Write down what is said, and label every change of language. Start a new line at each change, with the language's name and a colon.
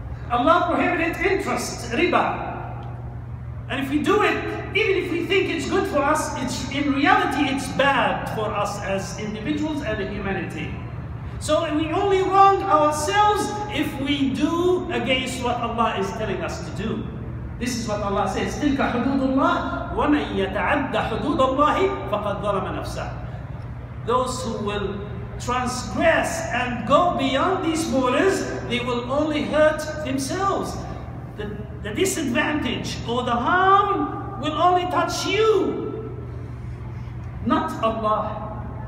English: Allah prohibits interest, riba. And if we do it, even if we think it's good for us, it's in reality it's bad for us as individuals and humanity. So we only wrong ourselves if we do against what Allah is telling us to do.
Arabic: This is what Allah says, تِلْكَ حُدُودُ اللَّهِ وَمَنْ يَتَعَدَّ حُدُودَ اللَّهِ فَقَدْ ظَلَمَ نَفْسَهُ.
English: Those who will transgress and go beyond these borders, they will only hurt themselves. The disadvantage or the harm will only touch you, not Allah.